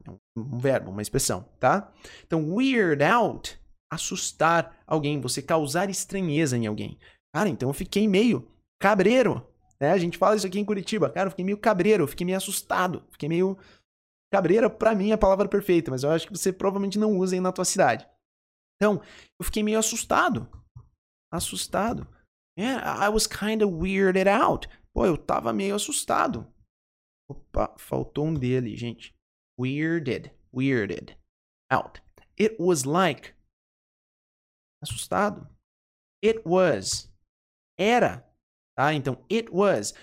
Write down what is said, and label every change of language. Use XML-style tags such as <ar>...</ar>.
<pt>É um verbo, uma expressão, tá? Então, weird out, assustar alguém, você causar estranheza em alguém. Cara, então eu fiquei meio cabreiro, né? A gente fala isso aqui em Curitiba. Cara, eu fiquei meio cabreiro, fiquei meio assustado. Fiquei meio... Cabreiro, pra mim, é a palavra perfeita, mas eu acho que você provavelmente não usa aí na tua cidade. Então, eu fiquei meio assustado. Assustado.</pt> <en>Yeah, I was kind of weirded out.</en> <pt>Pô, eu tava meio assustado. Opa, faltou um D ali, gente.</pt> <en>Weirded. Weirded. Out. It was like...</en> <pt>Assustado.</pt> <en>It was.</en> <pt>Era. Tá? Então,</pt> <en>it was.</en>